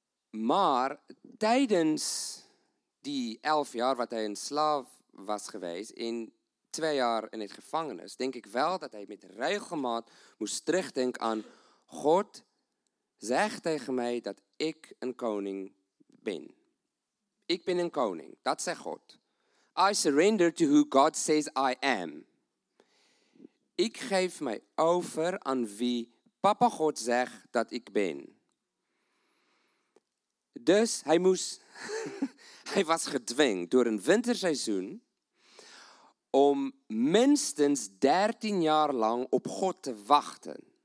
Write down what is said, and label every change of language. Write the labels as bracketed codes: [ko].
[nl] Maar tijdens die 11 jaar wat hij een slaaf was geweest, in 2 jaar in het gevangenis, denk ik wel dat hij met regelmaat moest terugdenken aan God zegt tegen mij dat ik een koning ben. Ik ben een koning, dat zegt God. [en] I surrender to who God says I am. [nl] Ik geef mij over aan wie papa God zegt dat ik ben. Dus hij moest, hij was gedwongen door een winterseizoen om minstens 13 jaar lang op God te wachten.